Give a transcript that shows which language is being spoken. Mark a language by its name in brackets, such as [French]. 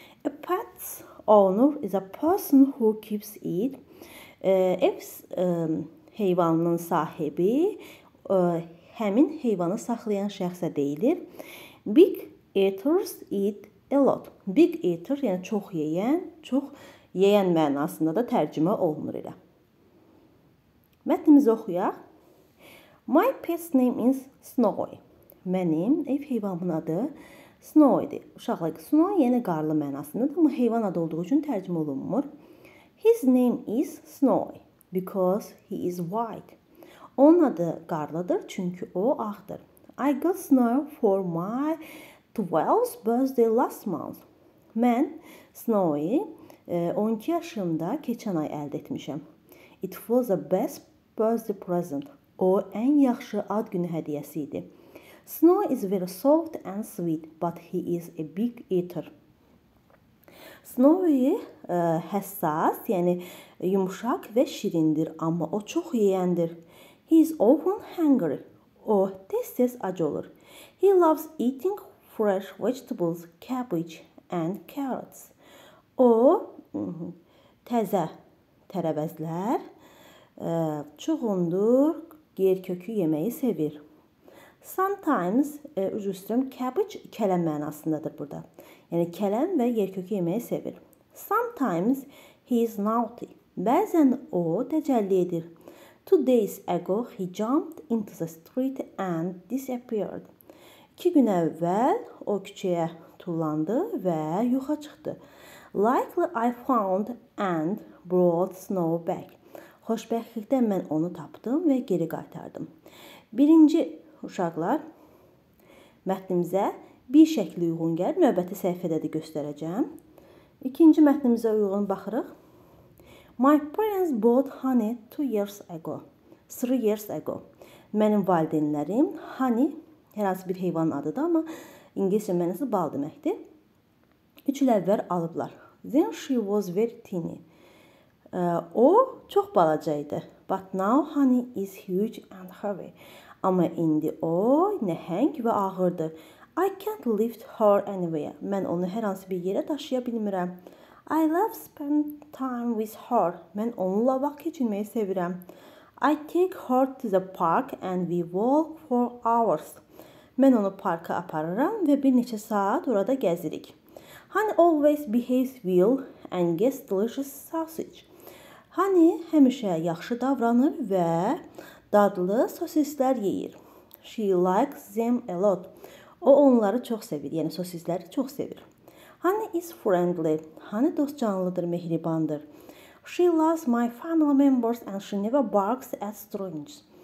[English] A pet's owner is a person who keeps it. [Azerbaijani] Ev heyvanının sahibi həmin heyvanı saxlayan şəxsə deyilir. [English] Big eaters eat a lot. Big eater, [Azerbaijani] yəni çox yeyən, çox yeyən mənasında da tərcümə olunur ilə. Mətnimizi oxuyaq. [English] My pet's name is Snowy. [Azerbaijani] Mənim ev heyvanımın adı Snowy-dir. Uşaqlar, Snowy yəni qarlı mənasındadır, amma heyvan adı olduğu üçün tərcümə olunmur. [English] His name is Snowy because he is white. [Azerbaijani] Onun adı qarlıdır, çünki o ağdır. [English] I got snow for my 12th birthday last month. [Azerbaijani] Mən Snowy 12 yaşımda keçən ay əldə etmişəm. [English] It was the best birthday present. [Azerbaijani] O, ən yaxşı ad günü hədiyəsi idi. [English] Snowy is very soft and sweet, but he is a big eater. [Azerbaijani] Snowy həssas, yəni yumuşaq və şirindir, amma o çox yeyəndir. [English] He is often hungry. [Azerbaijani] O, tez-tez ac olur. [English] He loves eating fresh vegetables, cabbage and carrots. [Azerbaijani] O, təzə tərəvəzlər, çuğundur, yer kökü yeməyi sevir. [English] Sometimes, [Azerbaijani] üzr istəyirəm, cabbage kələm mənasındadır burada. Yəni, kələm və yer kökü yeməyi sevir. [English] Sometimes he is naughty. [Azerbaijani] Bəzən o təcəlli edir. [English] 2 days ago he jumped into the street and disappeared. [Azerbaijani] 2 gün əvvəl o küçəyə tullandı və yuxa çıxdı. [English] Likely I found and brought Snow back. [Azerbaijani] Xoşbəxtlikdən mən onu tapdım və geri qaytardım. Birinci uşaqlar, mətnimizə bir şəkli uyğun gəl, növbəti səhifədə də göstərəcəm. İkinci mətnimizə uyğun baxırıq. [English] My parents bought honey 2 years ago. 3 years ago. [Azerbaijani] Mənim valideynlərim honey, hər hansı bir heyvanın adıdır, amma ingilisə mənası bal deməkdir. 3 il əvvəl alıblar. [English] Then she was very teeny. [Azerbaijani] O, çox balaca idi. [English] But now honey is huge and heavy. [Azerbaijani] Amma indi o, nəhəng və ağırdır. [English] I can't lift her anywhere. [Azerbaijani] Mən onu hər hansı bir yerə daşıya bilmirəm. [English] I love spend time with her. [Azerbaijani] Mən onunla vaxt keçirməyi sevirəm. [English] I take her to the park and we walk for hours. [Azerbaijani] Mən onu parka apararam və bir neçə saat orada gəzirik. [English] Honey always behaves well and gets delicious sausage. [Azerbaijani] Honey həmişə yaxşı davranır və dadlı sosislər yeyir. [English] She likes them a lot. [Azerbaijani] O onları çox sevir, yəni sosisləri çox sevir. Honey is friendly. Honey dostcanlıdır, mehribandır. [English] She loves my family members and she never barks at strangers.